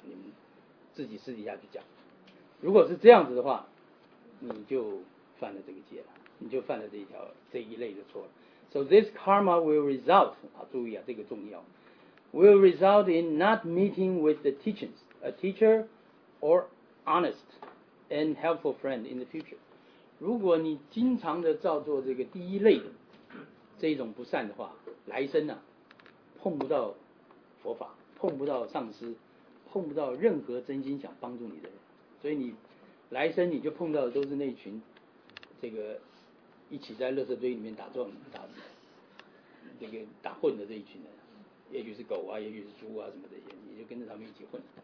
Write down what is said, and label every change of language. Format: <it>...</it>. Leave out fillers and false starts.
<zh>你们自己私底下去讲。如果是这样子的话，你就犯了这个戒了，你就犯了这一类的错了。</zh> <en>So this karma will result,</en> <zh>注意啊，这个重要，</zh> <en>will result in not meeting with the teachings, a teacher or honest and helpful friend in the future.</en> <zh>如果你经常的造作这个第一类的这种不善的话，来生呢，碰不到佛法，碰不到上师，碰不到任何真心想帮助你的人，所以你来生你就碰到的都是那群这个一起在垃圾堆里面打撞打这个打混的这一群人，也许是狗啊，也许是猪啊，什么这些，你就跟着他们一起混。</zh>